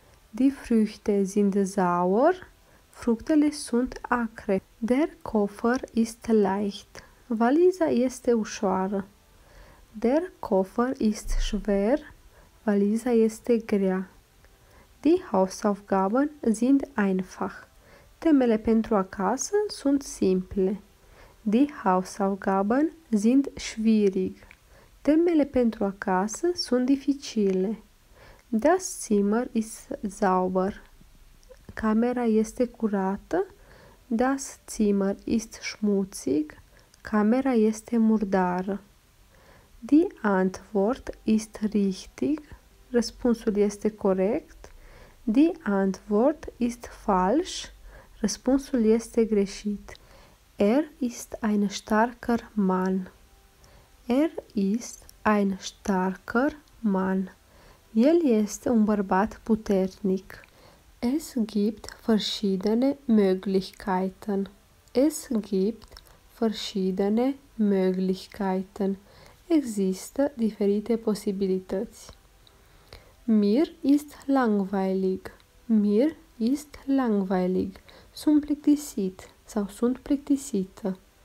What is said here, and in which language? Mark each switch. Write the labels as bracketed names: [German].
[German] Die Früchte sind sauer. [Romanian] Fructele sunt acre. [German] Der Koffer ist leicht. [Romanian] Valiza este ușoară. [German] Der Koffer ist schwer. [Romanian] Valiza este grea. [German] Die Hausaufgaben sind einfach. [Romanian] Temele pentru acasă sunt simple. [German] Die Hausaufgaben sind schwierig. [Romanian] Temele pentru acasă sunt dificile. [German] Das Zimmer ist sauber. [Romanian] Camera este curată. [German] Das Zimmer ist schmutzig. [Romanian] Camera este murdară. [German] Die Antwort ist richtig. [Romanian] Răspunsul este corect. [German] Die Antwort ist falsch. [Romanian] Răspunsul este greșit. [German] Ist ein starker Mann. Ist ein starker Mann. [Romanian] El este un bărbat puternic. [German] Es gibt verschiedene Möglichkeiten. [Romanian] Există diferite posibilități. [German] Mir ist langweilig. [Romanian] Sunt plictisit sau sunt plictisită.